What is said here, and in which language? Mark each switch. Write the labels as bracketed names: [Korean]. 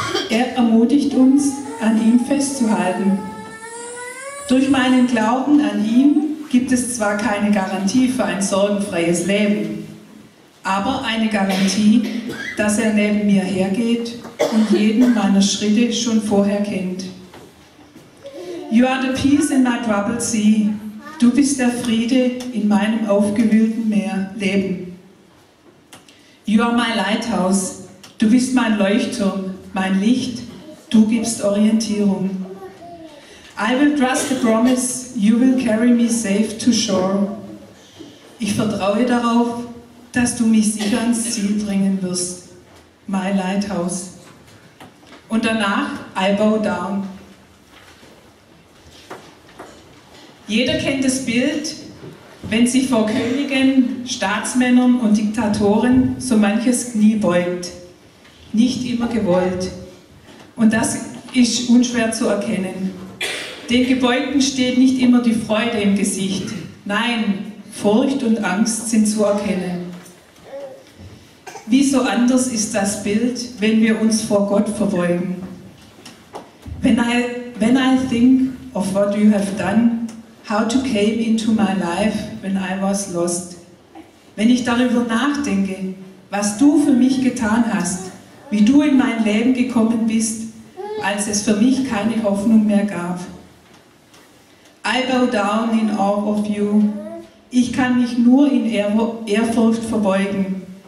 [German] Er ermutigt uns, an ihm festzuhalten. Durch meinen Glauben an ihn gibt es zwar keine Garantie für ein sorgenfreies Leben, aber eine Garantie, dass er neben mir hergeht und jeden meiner Schritte schon vorher kennt. [English] You are the peace in my troubled sea. [German] Du bist der Friede in meinem aufgewühlten Meer Leben. [English] You are my lighthouse. [German] Du bist mein Leuchtturm, mein Licht. Du gibst Orientierung. [English] I will trust the promise, you will carry me safe to shore. [German] Ich vertraue darauf, dass du mich sicher ans Ziel bringen wirst. [English] My lighthouse. [German] Und danach, [English] I bow down. [German] Jeder kennt das Bild, wenn sich vor Königen, Staatsmännern und Diktatoren so manches Knie beugt. Nicht immer gewollt. Und das ist unschwer zu erkennen. Den Gebeugten steht nicht immer die Freude im Gesicht. Nein, Furcht und Angst sind zu erkennen. Wieso anders ist das Bild, wenn wir uns vor Gott verbeugen? [English] When I think of what you have done, how to came into my life when I was lost. [German] Wenn ich darüber nachdenke, was du für mich getan hast, wie du in mein Leben gekommen bist, als es für mich keine Hoffnung mehr gab. [English] I bow down in awe of you. [German] Ich kann mich nur in Ehrfurcht verbeugen.